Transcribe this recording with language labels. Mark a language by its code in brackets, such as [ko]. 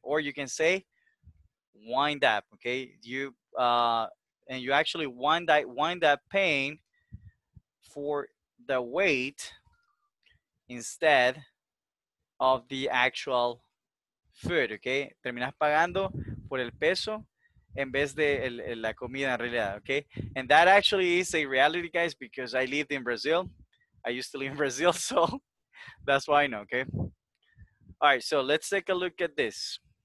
[en] Or you can say wind up, okay? You actually wind up paying for the weight instead of the actual food, okay? [es] Terminas pagando por el peso en vez de la comida en realidad, okay? [en] And that actually is a reality, guys, because I lived in Brazil. I used to live in Brazil, so that's why I know, okay? All right, so let's take a look at this.